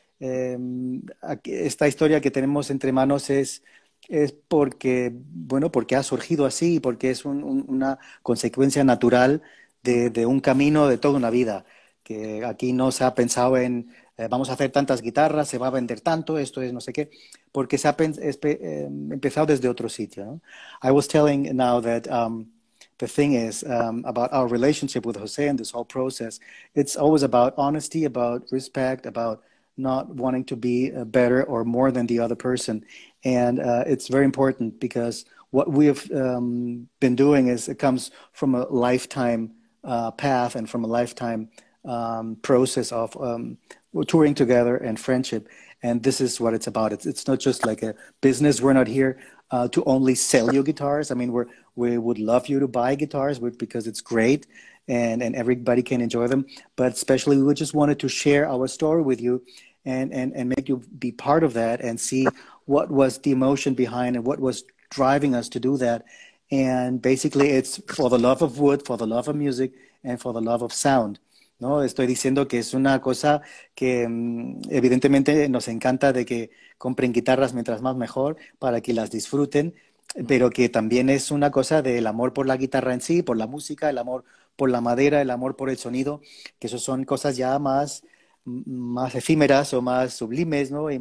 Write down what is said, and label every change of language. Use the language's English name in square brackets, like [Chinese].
[Spanish] Esta historia que tenemos entre manos es porque, bueno, porque ha surgido así, porque es una consecuencia natural de un camino de toda una vida. que aquí no se ha pensado en vamos a hacer tantas guitarras, se va a vender tanto, esto es no sé qué, porque se ha empezado desde otro sitio, ¿no? [English] I was telling now that the thing is about our relationship with Jose and this whole process. It's always about honesty, about respect, about not wanting to be better or more than the other person. And it's very important because what we have been doing is it comes from a lifetime path and from a lifetime process of touring together and friendship. And this is what it's about. It's not just like a business. We're not here to only sell you guitars. I mean, we would love you to buy guitars because it's great and everybody can enjoy them. But especially, we just wanted to share our story with you and make you be part of that and see what was the emotion behind and what was driving us to do that. And basically, it's for the love of wood, for the love of music, and for the love of sound. [Spanish] No, estoy diciendo que es una cosa que evidentemente nos encanta de que compren guitarras mientras más mejor para que las disfruten, pero que también es una cosa del amor por la guitarra en sí, por la música, el amor por la madera, el amor por el sonido, que eso son cosas ya más efímeras o más sublimes, ¿no?